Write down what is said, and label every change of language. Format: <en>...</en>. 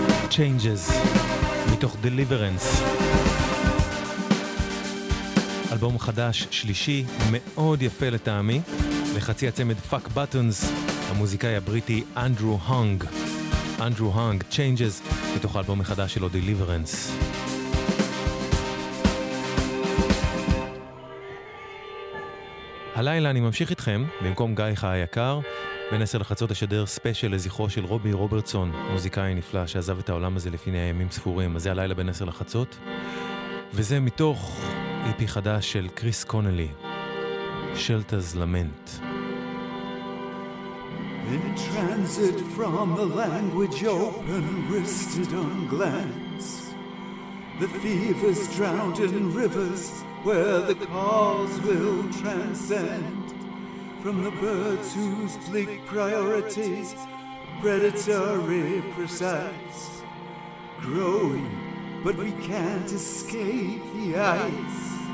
<he>Changes, מתוך Deliverance. אלבום חדש, שלישי, מאוד יפה לטעמי, לחצי הצמד Fuck Buttons, המוזיקאי הבריטי אנדרו הונג. אנדרו הונג, Changes, מתוך האלבום החדש שלו Deliverance. הלילה אני ממשיך איתכם, במקום גייך היקר, בין 10 לחצות השדר ספיישל לזכרו של רובי רוברטסון, מוזיקאי נפלא שעזב את העולם הזה לפני ימים ספורים. אז זה הלילה בין 10 לחצות, וזה מתוך איפי חדש של קריס קונלי, שלטרס למנט.</he> <en>In a transit from the language open wristed on glance, the fever's drowned in rivers where the calls will transcend. From the birds whose bleak priorities, predatory precise, growing, but we can't escape the ice.</en>